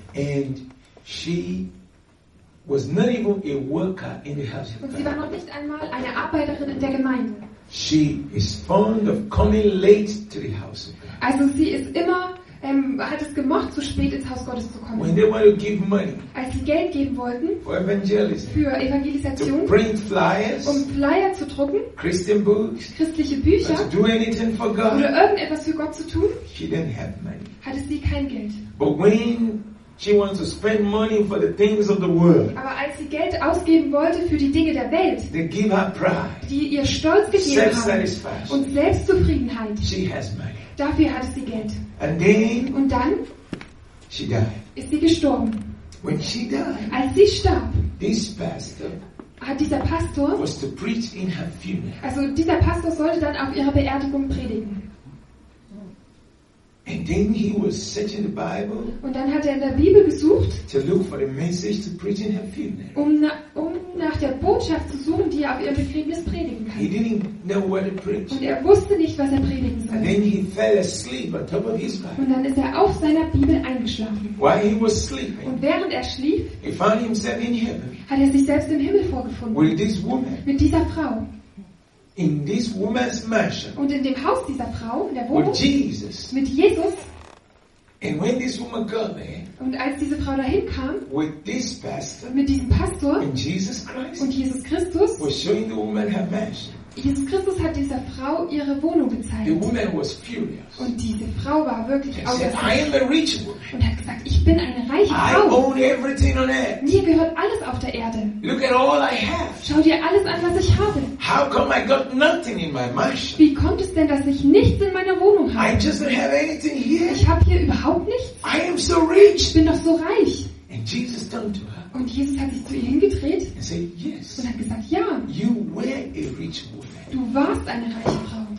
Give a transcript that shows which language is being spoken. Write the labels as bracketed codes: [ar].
[en] And she was not even a worker in the house. [de] Und sie war noch nicht einmal eine Arbeiterin in der Gemeinde. [en] She is fond of coming late to the house. [de] Also sie ist immer hat es gemocht, zu spät ins Haus Gottes zu kommen. [en] When they want to give money, [de] als sie Geld geben wollten [en] for evangelism, [de] für Evangelisation, [en] to print flyers, [de] um Flyer zu drucken, [en] Christian books, [de] christliche Bücher, [en] to do anything for God, [de] oder irgendetwas für Gott zu tun, [en] she didn't have money. [de] Hatte sie kein Geld. [en] But when she wants to spend money for the things of the world. [de] Aber als sie Geld ausgeben wollte für die Dinge der Welt, [en] they give her pride, [de] die ihr Stolz gegeben haben, [en] self-satisfaction, [de] und Selbstzufriedenheit, [en] she has money. [de] Dafür hat sie Geld. [en] And then, [de] und dann [en] she died. [de] Ist sie gestorben. [en] When she died, [de] als sie starb, [en] this pastor, [de] hat dieser Pastor, [en] was to preach in her funeral. [de] Also dieser Pastor sollte dann auf ihrer Beerdigung predigen. [en] And then he was searching the Bible, [de] und dann hat er in der Bibel gesucht, [en] to look for the message to preach in her funeral. [de] Um nach der Botschaft zu suchen, die er auf ihrem Begräbnis predigen kann. [en] He didn't know what to preach. [de] Und er wusste nicht, was er predigen soll. [en] And then he fell asleep on top of his Bible. [de] Und dann ist er auf seiner Bibel eingeschlafen. [en] While he was sleeping, [de] und während er schlief, [en] he found himself in heaven, [de] hat er sich selbst im Himmel vorgefunden. [en] With this woman, [de] mit dieser Frau. [en] In this woman's mansion. [de] Und in dem Haus dieser Frau, in der Wohnung. [en] With Jesus. [de] Mit Jesus. [en] And when this woman got there. [de] Und als diese Frau dahin kam. [en] With this pastor. [de] Mit diesem Pastor. [en] And Jesus Christ. [de] Und Jesus Christus. [en] Was showing the woman her mansion. [de] Jesus Christus hat dieser Frau ihre Wohnung gezeigt. [en] The woman was furious. [de] Und diese Frau war wirklich aufgeregt. Und hat gesagt, ich bin eine reiche Frau. [en] I own everything on earth. [de] Mir gehört alles auf der Erde. [en] Look at all I have. [de] Schau dir alles an, was ich habe. [en] How come I got nothing in my mansion? [de] Wie kommt es denn, dass ich nichts in meiner Wohnung habe? [en] I just don't have anything here. [de] Ich habe hier überhaupt nichts. [en] I am so rich. [de] Ich bin doch so reich. [en] And Jesus turned to her. [de] Und Jesus hat sich zu ihr hingedreht [en] and said, yes. [de] Und hat gesagt, ja. [en] You were a rich woman. [de] Du warst eine reiche Frau.